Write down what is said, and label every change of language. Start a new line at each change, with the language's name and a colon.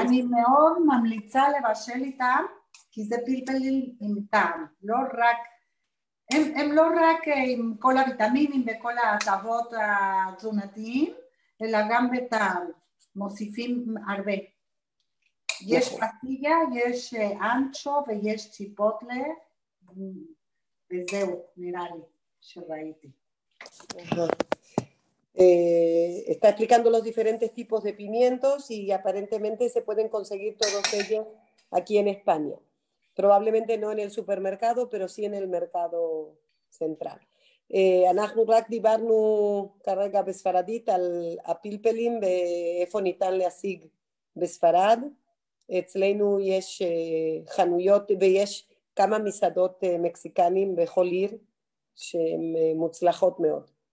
Hebrew: אני מאוד ממליצה לבשל איתם, כי זה פלפלים עם טעם, לא רק, הם לא רק עם כל הויטמינים וכל ההטבות התזונתיים, אלא גם בטעם, מוסיפים הרבה. יש פסטיגה, יש אנצ'ו ויש ציפוטלה, וזהו, נראה לי, שראיתי.
Spanish: Está explicando los diferentes tipos de pimientos y aparentemente se pueden conseguir todos ellos aquí en España. Probablemente no en el supermercado, pero sí en el mercado central.
Hebrew: אנחנו רק דיברנו כרגע בספרדית על הפלפלים ואיפה ניתן להשיג בספרד. אצלנו יש חנויות ויש כמה מסעדות מקסיקנים בכל עיר שהן מוצלחות מאוד.